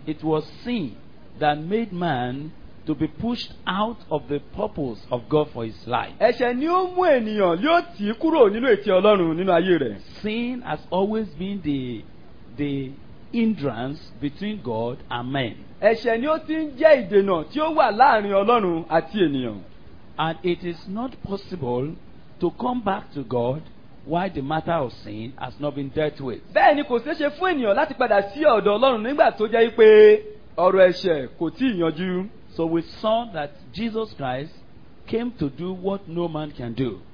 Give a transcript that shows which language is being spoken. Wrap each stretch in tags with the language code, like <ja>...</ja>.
<en>It was sin that made man to be pushed out of the purpose of God for his life.</en> <yo>Ẹ̀ṣẹ̀ ni ó mú ènìyàn yóò tí kúrò nínú ètí Ọlọ́run nínú ayé rẹ̀.</yo> <en>Sin has always been the hindrance between God and men.</en> <yo>Ẹ̀ṣẹ̀ ni ó ti ń jẹ́ ìdènà tí ó wà láàrin Ọlọ́run àti ènìyàn.</yo> <en>And it is not possible to come back to God while the matter of sin has not been dealt with.</en> <yo>Bẹ́ẹ̀ni kò ṣe ṣe fún ènìyàn láti padà sí ọ̀dọ̀ Ọlọ́run nígbà tó jẹ́ pé ọ̀rọ̀ ẹ̀ṣẹ̀ kò tí yanjú.</yo> <en>So we saw that Jesus Christ came to do what no man can do.</en>